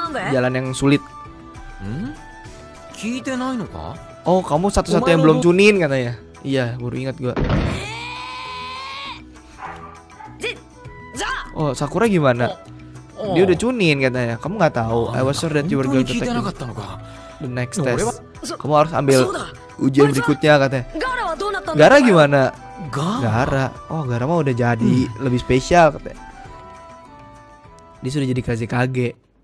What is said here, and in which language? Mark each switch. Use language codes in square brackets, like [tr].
[id] Jalan yang sulit. [ja] Kiite nai no ka? [id] Oh, kamu satu-satu yang belum chunin katanya. Iya, baru ingat gua. Oh, Sakura gimana? Dia udah chunin katanya. Kamu enggak tahu. [en] I was sure that you were going to take the next test. [id] Kamu harus ambil ujian berikutnya katanya. Gaara gimana? Gaara. Oh, Gaara mah udah jadi lebih spesial katanya. Dia sudah jadi Kazekage.